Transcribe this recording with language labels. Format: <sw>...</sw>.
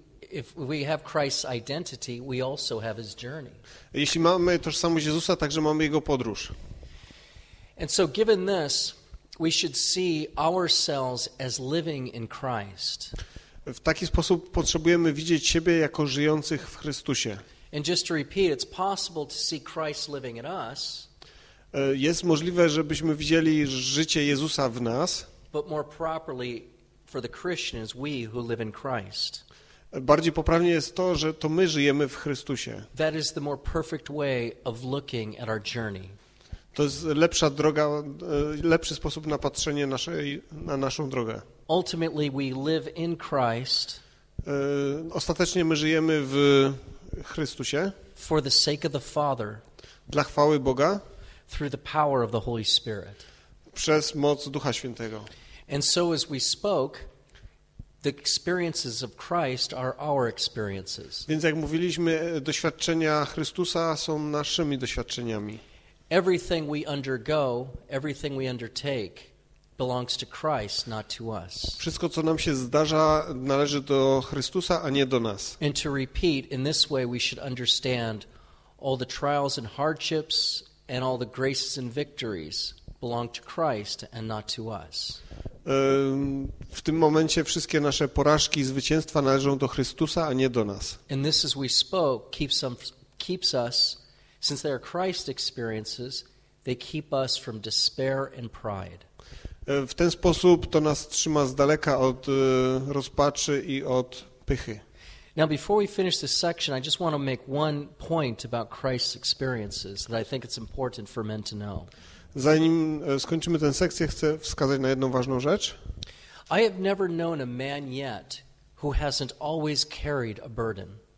<en>If we have Christ's identity, we also have his journey.</en> <pl>Jeśli mamy tożsamość Jezusa, także mamy jego podróż.</pl> <en>And so given this, we should see ourselves as living in Christ.</en> <pl>W taki sposób potrzebujemy widzieć siebie jako żyjących w Chrystusie.</pl> <en>And just to repeat, it's possible to see Christ living in us.</en> <pl>Jest możliwe, żebyśmy widzieli życie Jezusa w nas.</pl> <en>But more properly for the Christian is we who live in Christ.</en> <pl>Bardziej poprawnie jest to, że to my żyjemy w Chrystusie.</pl> <en>That is the more perfect way of looking at our journey.</en> <pl>To jest lepsza droga, lepszy sposób na patrzenie na naszą drogę.</pl> <en>Ultimately we live in Christ.</en> <pl>Ostatecznie my żyjemy w Chrystusie.</pl> <en>For the sake of the Father.</en> <pl>Dla chwały Boga.</pl> <en>Through the power of the Holy Spirit.</en> <pl>Przez moc Ducha Świętego.</pl> <en>And so as we spoke, the experiences of Christ are our experiences.</en> <pl>Więc jak mówiliśmy, doświadczenia Chrystusa są naszymi doświadczeniami.</pl> <en>Everything we undergo, everything we undertake belongs to Christ, not to us.</en> <pl>Wszystko, co nam się zdarza, należy do Chrystusa, a nie do nas.</pl> <en>And to repeat, in this way we should understand all the trials and hardships and all the graces and victories belong to Christ and not to us.</en> <pl>W tym momencie wszystkie nasze porażki i zwycięstwa należą do Chrystusa, a nie do nas.</pl> <en>And this as we spoke keeps us, since they are Christ experiences, they keep us from despair and pride.</en> <pl>W ten sposób to nas trzyma z daleka od rozpaczy i od pychy.</pl> <en>Now before we finish this section, I just want to make one point about Christ's experiences that I think it's important for men to know.</en> <pl>Zanim skończymy tę sekcję, chcę wskazać na jedną ważną rzecz.</pl> <en>I have never known a man yet who hasn't always carried a burden.</en>